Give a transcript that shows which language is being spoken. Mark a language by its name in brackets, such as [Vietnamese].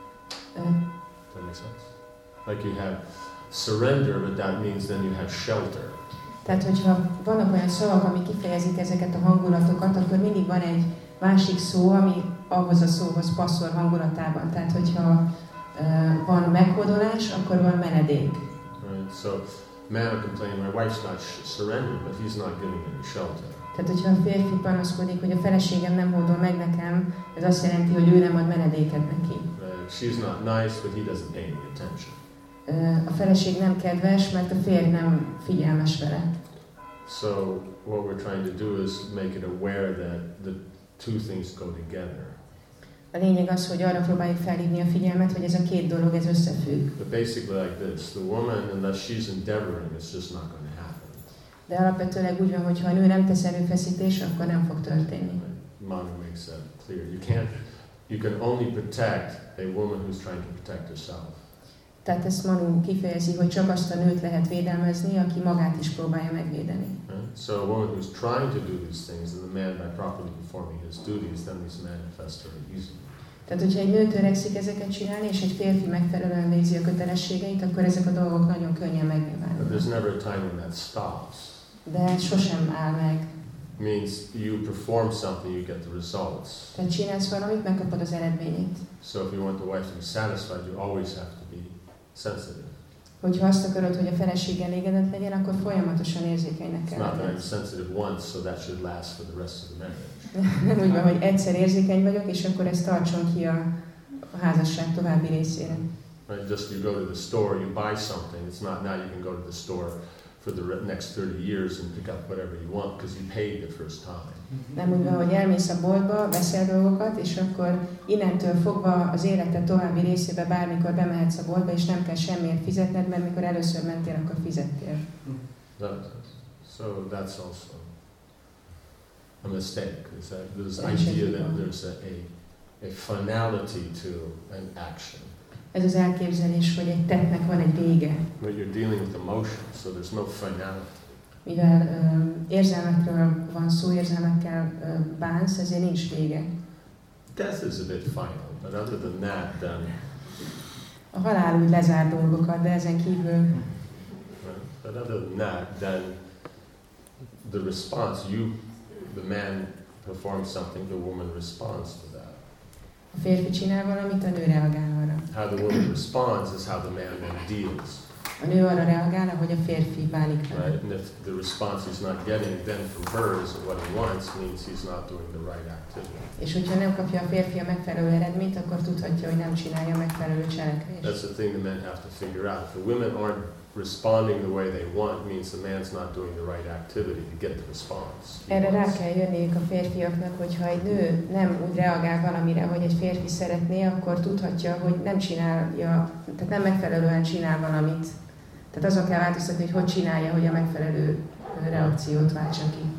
[English] Does that make sense? Like you have surrender, but that means then you have shelter. [Hungarian] Tehát, hogyha vannak olyan szavak, ami kifejezik ezeket a hangulatokat, akkor mindig van egy másik szó, ami ahhoz a szóhoz passzol hangulatában. Tehát, hogyha van meghódolás, akkor van menedék. [English] Right. So, man will complain, my wife's not surrendering, but he's not giving any shelter. [Hungarian] Tehát, hogyha a férfi panaszkodik, hogy a feleségem nem hódol meg nekem, ez azt jelenti, hogy ő nem ad menedéket neki. [English] She's not nice, but he doesn't pay any attention. [Hungarian] A feleség nem kedves, mert a férj nem figyelmes vele. [English] So what we're trying to do is make it aware that the two things go together. [Hungarian] A lényeg az, hogy arra próbáljuk felhívni a figyelmet, hogy ez a két dolog ez összefügg. [English] But basically like this, the woman, unless she's endeavoring, it's just not going to happen. [Hungarian] De alapvetőleg úgy van, hogy ha a nő nem tesz erőfeszítés, akkor nem fog történni. [English] Manu makes that clear. You can only protect a woman who's trying to protect herself. [Hungarian] Tehát ezt Manu kifejezi, hogy csak azt a nőt lehet védelmezni, aki magát is próbálja megvédeni. [English] So a woman who's trying to do these things, and the man by properly performing his duties, then these manifest very easily. [Hungarian] Tehát, hogyha egy nő törekszik ezeket csinálni, és egy férfi megfelelően végzi a kötelességeit, akkor ezek a dolgok nagyon könnyen megnyilvánulnak. [English] But there's never a time when that stops. [Hungarian] De ez sosem áll meg. [English] Means you perform something, you get the results. [Hungarian] Tehát csinálsz valamit, megkapod az eredményét. [English] So if you want the wife to be satisfied, you always have to be sensitive. [Hungarian] Hogyha azt akarod, hogy a feleség elégedett legyen, akkor folyamatosan érzékenynek kell. [English] Not very sensitive once, so that should last for the rest of the marriage. [Hungarian] Nem úgy van, hogy egyszer érzékeny vagyok, és akkor ez tartson ki a házasság további részére. [English] Right, just you go to the store, you buy something. It's not now you can go to the store for the next 30 years and pick up whatever you want because you paid the first time. [Hungarian] Nem úgy van, hogy elmész a boltba, veszel dolgokat, és akkor innentől fogva az életed további részébe bármikor bemehetsz a boltba, és nem kell semmiért fizetned, mert mikor először mentél, akkor fizettél. [English] So that's also a mistake. Is that this idea that there's a finality to an action? [Hungarian] Ez az elképzelés, hogy egy tettnek van egy vége. [English] But you're dealing with emotion, so there's no finality. [Hungarian] Mivel érzelmekről van szó, érzelmekkel bánsz, ezért nincs vége. [English] Death is a bit final, but other than that, then. [Hungarian] A halál úgy lezár dolgokat, de ezen kívül. [English] But other than that, then the response you. The man performs something, the woman responds to that. [Hungarian] A férfi csinál valamit, a nő reagál arra. [English] How the woman responds is how the man then deals. [Hungarian] A nő arra reagál, ahogy a férfi bánik [English] vele. Right? And if the response he's not getting then from her is what he wants, means he's not doing the right activity. [Hungarian] És hogyha nem kapja a férfi a megfelelő eredményt, akkor tudhatja, hogy nem csinálja a megfelelő cselekvést. [English] That's the thing the men have to figure out. If the women aren't responding the way they want means the man's not doing the right activity to get the response. [Hungarian] Erre rá kell jönniük a férfiaknak, hogyha egy nő nem úgy reagál valamire, hogy egy férfi szeretné, akkor tudhatja, hogy nem csinálja, tehát nem megfelelően csinál valamit. Tehát azon kell változtatni, hogy hogy csinálja, hogy a megfelelő reakciót váltsa ki.